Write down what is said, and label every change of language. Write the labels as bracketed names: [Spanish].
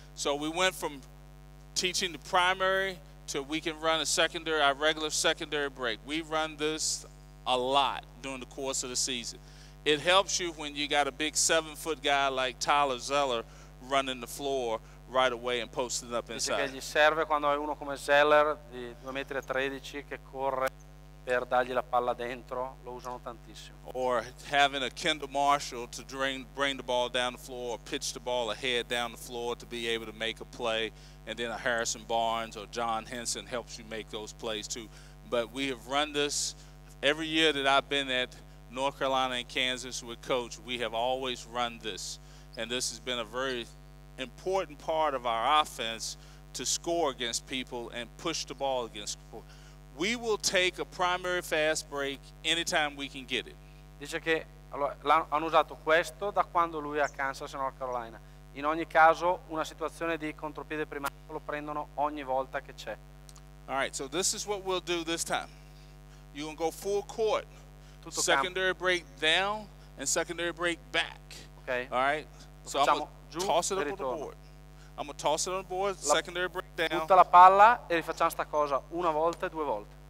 [English] So we went from teaching the primary to we can run a secondary, our regular secondary break. We run this a lot during the course of the season. It helps you when you got a big 7-foot guy like Tyler Zeller running the floor right away and posting up inside. [Italian] Dice che gli serve quando hai uno come Zeller di 2.13 che corre. Per dargli la palla dentro, lo usano tantissimo. [English] Or having a Kendall Marshall to bring the ball down the floor, or pitch the ball ahead down the floor to be able to make a play, and then a Harrison Barnes or John Henson helps you make those plays too. But we have run this every year that I've been at North Carolina and Kansas with Coach. We have always run this, and this has been a very important part of our offense to score against people and push the ball against people. We will take a primary fast break anytime we can get it. [Italian] Dice che hanno usato questo da quando lui è a Kansas, North Carolina. In ogni caso, una situazione di contropiede primario lo prendono ogni volta che c'è. [English] All right, so this is what we'll do this time. You're going to go full court. [Italian] Tutto [English] secondary [Italian] campo. [English] Break down and secondary break back. Okay. All right, [Italian] lo [English] so I'm going to toss it up on the board. I'm going to toss it on the board, secondary break down. [Italian] Butta la palla e rifacciamo sta cosa una volta e due volte.